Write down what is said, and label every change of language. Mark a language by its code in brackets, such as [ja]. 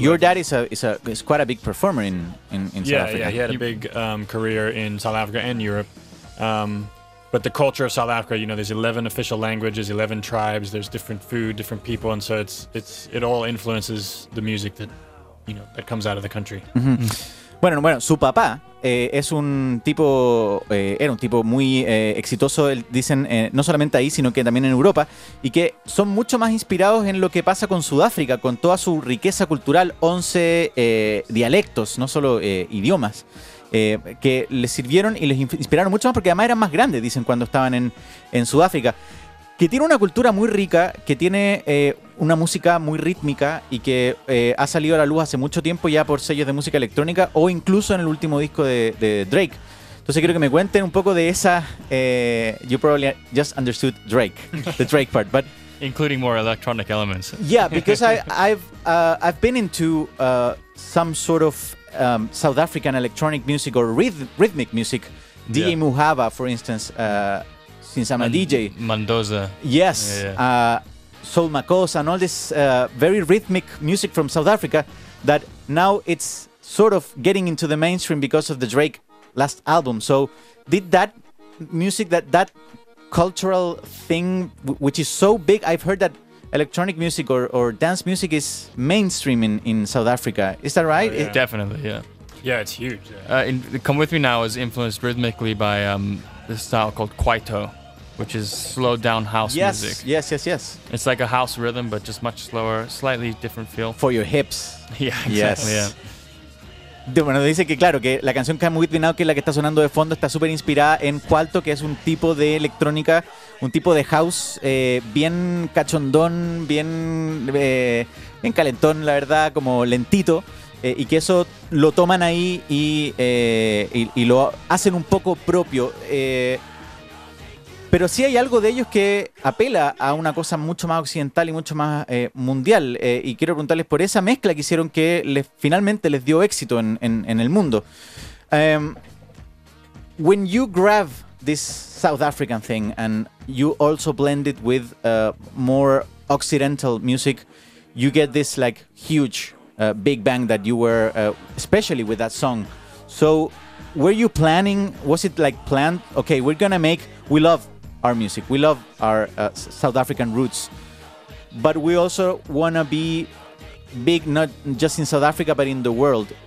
[en] Your dad is quite a big performer in South Africa. Yeah, he had a big career in South Africa and Europe. But the culture of South Africa, you know, there's 11 official languages, 11 tribes, there's different food, different people. And so it all influences the music that, you know, that comes out of the country. [es] Mm-hmm. Bueno, su papá. Es un tipo, era un tipo muy exitoso, dicen, no solamente ahí, sino que también en Europa, y que son mucho más inspirados en lo que pasa con Sudáfrica, con toda su riqueza cultural, 11 dialectos, no solo idiomas, que les sirvieron y les inspiraron mucho más, porque además eran más grandes, dicen, cuando estaban en Sudáfrica, que tiene una cultura muy rica, que tiene una música muy rítmica y que ha salido a la luz hace mucho tiempo ya por sellos de música electrónica o incluso en el último disco de Drake. Entonces quiero que me cuenten un poco de esa... [en] you probably just understood Drake, the Drake part, but... Including more electronic elements. Yeah, because I've been into some sort of South African electronic music or rhythmic music. DJ Muhava, for instance... since I'm a DJ. Mendoza. Yes. Yeah. Soul Makossa and all this very rhythmic music from South Africa that now it's sort of getting into the mainstream because of the Drake last album. So did that music, that cultural thing, which is so big, I've heard that electronic music or dance music is mainstream in South Africa. Is that right? Oh, yeah. Definitely, yeah. Yeah, it's huge. Come With Me Now is influenced rhythmically by... this style called Kwaito, which is slowed down house music. Yes. It's like a house rhythm, but just much slower, slightly different feel. For your hips. Yeah, exactly. [es] Bueno, dice que claro, que la canción Come With Me Now, que es la que está sonando de fondo, está súper inspirada en Kwaito, que es un tipo de electrónica, un tipo de house bien cachondón, bien calentón, la verdad, como lentito. Y que eso lo toman ahí y lo hacen un poco propio. Pero sí hay algo de ellos que apela a una cosa mucho más occidental y mucho más mundial. Y quiero preguntarles por esa mezcla que hicieron que finalmente les dio éxito en el mundo. [en] When you grab this South African thing and you also blend it with more occidental music, you get this like huge big bang that you were especially with that song. So were you planning, was it like planned, okay, we're gonna make, we love our music, we love our South African roots, but we also wanna be big, not just in South Africa, but in the world.